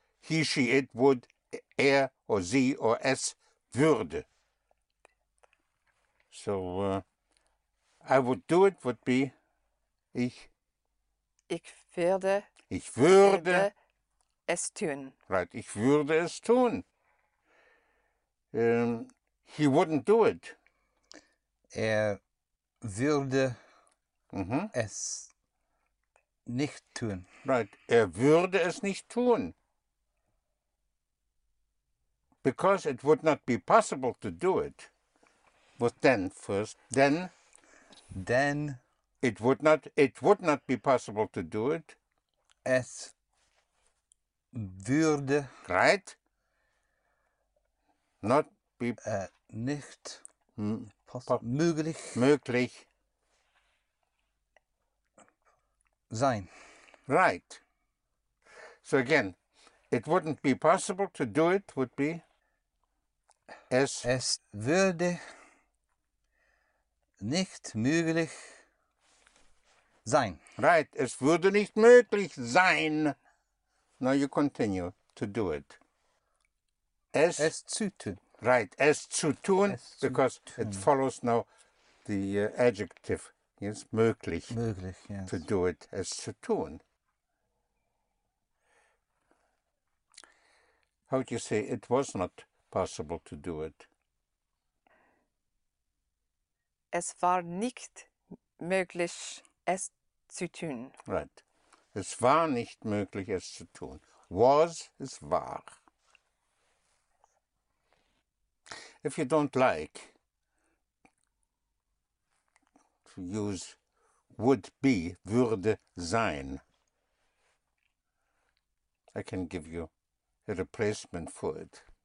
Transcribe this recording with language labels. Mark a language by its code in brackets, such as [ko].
[en] He, she, it would, er or sie or [de] es würde. [en] So, I would do it would be ich. [de] Ich würde. Ich würde es tun. [en] Right, [de] ich würde es tun. [en] He wouldn't do it. [de] Er würde es nicht tun. Right, er würde es nicht tun. [en] Because it would not be possible to do it. But then first, then? Then? It would not be possible to do it. [de] Es würde. [en] Right? Not be. [de] Nicht möglich. Möglich. Sein. [en] Right. So again, it wouldn't be possible to do it would be. [de] Es würde nicht möglich sein. Right, es würde nicht möglich sein. [en] Now you continue to do it. [de] Es zu tun. [en] Right, [de] es zu tun, [en] es because zu tun. It follows now the adjective. Yes, möglich. [de] Möglich, yes. [en] To do it, [de] es zu tun. [en] How would you say it was not possible to do it? [de] Es war nicht möglich, es zu tun. [en] Right. [de] Es war nicht möglich, es zu tun. Was, es war. [en] If you don't like to use would be, [de] würde sein, [en] I can give you a replacement for it.